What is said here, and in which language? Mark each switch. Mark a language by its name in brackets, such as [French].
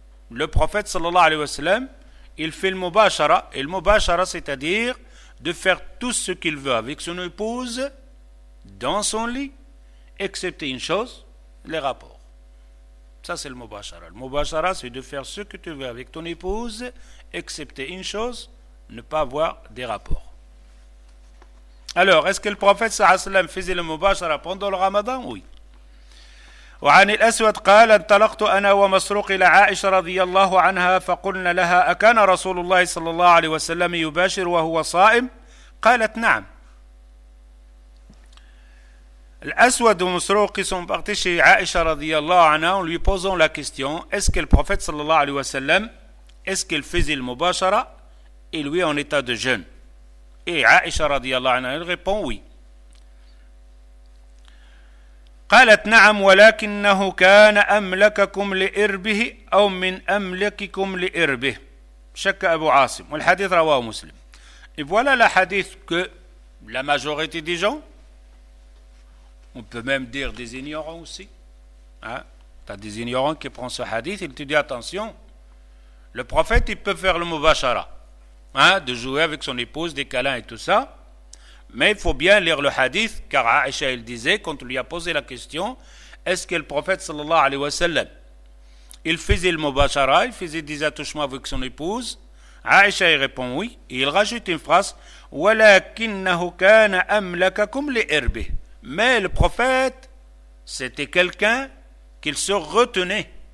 [French] Le prophète sallallahu alayhi wa sallam, il fait le mubashara, et le mubashara, c'est-à-dire de faire tout ce qu'il veut avec son épouse dans son lit, excepté une chose, les rapports. Ça, c'est le mubashara. Le mubashara, c'est de faire ce que tu veux avec ton épouse, excepté une chose, ne pas avoir des rapports. Alors, est-ce que le prophète sallallahu alayhi wa sallam faisait le mubashara pendant le Ramadan? Oui. [Arabic] وعن الأسود قال انطلقت أنا ومسروق إلى عائشة رضي الله عنها فقلنا لها أكان رسول الله صلى الله عليه وسلم يباشر وهو صائم قالت نعم [French] الأسود ومسروق sont partis chez عائشة رضي الله عنها en lui posant la question est-ce que le prophète صلى الله عليه وسلم est-ce qu'il faisait المباشرة et lui en état de jeûne et عائشة رضي الله عنها elle répond oui. [Arabic] قالت نعم ولكنه كان أملككم لإربه أو من أملككم لإربه شك أبو عاصم والحديث رواه مسلم. [French] Et voilà le hadith que la majorité des gens, on peut même dire des ignorants aussi, hein? T'as des ignorants qui prennent ce hadith, ils te disent attention, le prophète il peut faire le mubashara, hein? De jouer avec son épouse, des câlins et tout ça. Mais il faut bien lire le hadith, car Aïcha, elle disait, quand on lui a posé la question, est-ce que le prophète, sallallahu alayhi wa sallam, il faisait le mubashara, il faisait des attouchements avec son épouse, Aïcha, il répond oui, et il rajoute une phrase, « [Arabic] وَلَكِنَّهُ كَانَ أَمْلَكَكُمْ لِهِرْبِ [French] » Mais le prophète, c'était quelqu'un qu'il se retenait.